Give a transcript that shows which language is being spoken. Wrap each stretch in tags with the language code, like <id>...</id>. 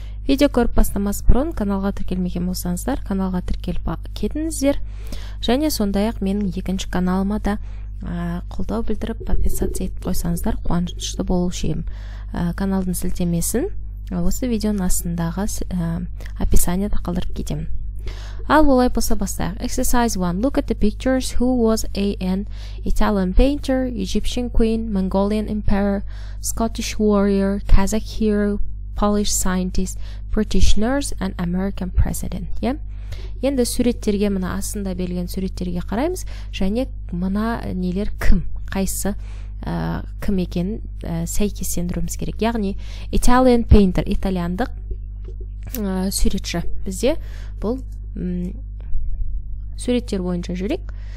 <kk>Видео көріп бастамас бұрын, каналға тіркелмеген болсаңыздар, каналға тіркеліп кетіңіздер. Және сондай-ақ менің екінші каналыма да қолдау білдіріп, подписация етіп қойсаңыздар, қуанышты болушы едім. Каналдың сілтемесін осы видеоның астындағы описанияда қалдырып кетемін. Ал олай болса бастайық.</kk> <en>Exercise 1. Look at the pictures. Who was an Italian painter, Egyptian queen, Mongolian emperor, Scottish warrior, Kazakh hero, Polish scientist, British nurse and American president?</en> <kk>Енді суреттерге, мына астында берілген суреттерге қараймыз. Және мына нелер кім? Қайсы? Кім екен? Сәйкестендіруіміз керек. Яғни,</kk> <en>Italian painter,</en> <kk>итальяндық суретші. Бізде бұл суреттер бойынша жүрек.</kk>